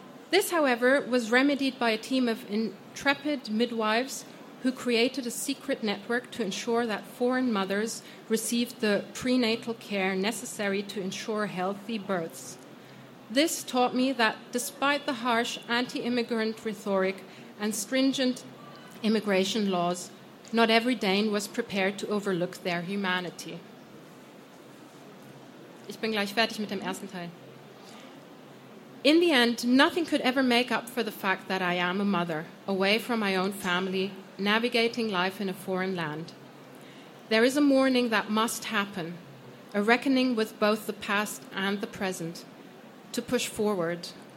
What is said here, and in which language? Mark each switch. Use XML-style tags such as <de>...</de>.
<en>This, however, was remedied by a team of intrepid midwives who created a secret network to ensure that foreign mothers received the prenatal care necessary to ensure healthy births. This taught me that despite the harsh anti-immigrant rhetoric and stringent immigration laws, not every Dane was prepared to overlook their humanity.</en> <de>Ich bin gleich fertig mit dem ersten Teil.</de> <en>In the end, nothing could ever make up for the fact that I am a mother, away from my own family, navigating life in a foreign land. There is a mourning that must happen, a reckoning with both the past and the present, to push forward.</en>